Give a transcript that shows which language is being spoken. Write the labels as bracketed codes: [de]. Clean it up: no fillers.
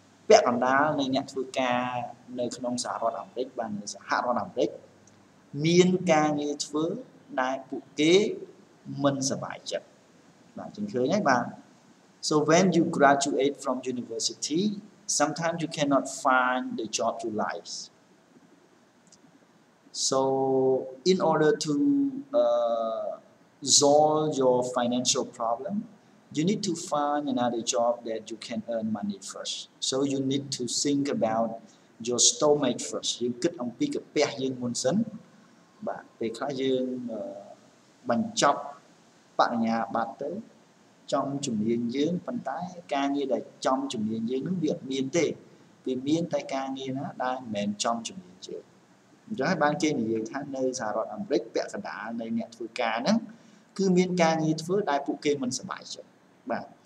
[km] ពាក់កណ្ដាលនៃអ្នកធ្វើការនៅក្នុងសហរដ្ឋអាមេរិកបាទនៅសហរដ្ឋអាមេរិកមានការងារធ្វើដែលពួកគេមិនសប្បាយចិត្តបាទជឿឃើញហើយបាទ [en] So when you graduate from university sometimes you cannot find the job you like. So in order to solve your financial problem, you need to find another job that you can earn money first. So you need to think about your stomach first. [km] You គិតអំពីកាពះយើងមុនសិនបាទពេលខ្លះយើងបញ្ចប់បរិញ្ញាបត្រទៅចំជំនាញយើងប៉ុន្តែការងារដែលចំជំនាញយើងនឹងវាអត់មានទេវាមានតែការងារណាដែលមិនមែនចំជំនាញយើងអញ្ចឹងហើយបានគេនិយាយថានៅសហរដ្ឋអាមេរិកពាក់កណ្ដាលនៃអ្នកធ្វើការហ្នឹងគឺមានការងារធ្វើដែលពួកគេមិនសប្បាយចិត្តបាទ